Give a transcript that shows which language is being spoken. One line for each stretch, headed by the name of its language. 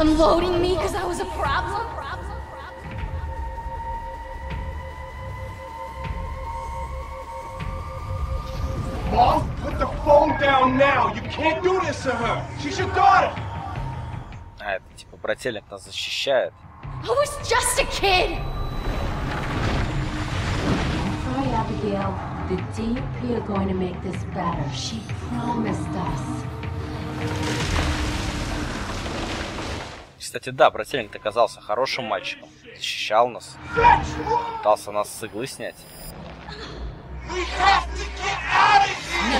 English: Unloading me because I was a problem? Mom, put the phone down now. You can't do this to her. She's your daughter.
Russian: А это типа брательник нас защищает.
English: I was just a kid. Sorry, Abigail. The DUP are going to make this better. She promised us.
Russian: Кстати, да, брательник оказался хорошим мальчиком. Защищал нас. Пытался нас с иглы снять.
English: We have to get out of here!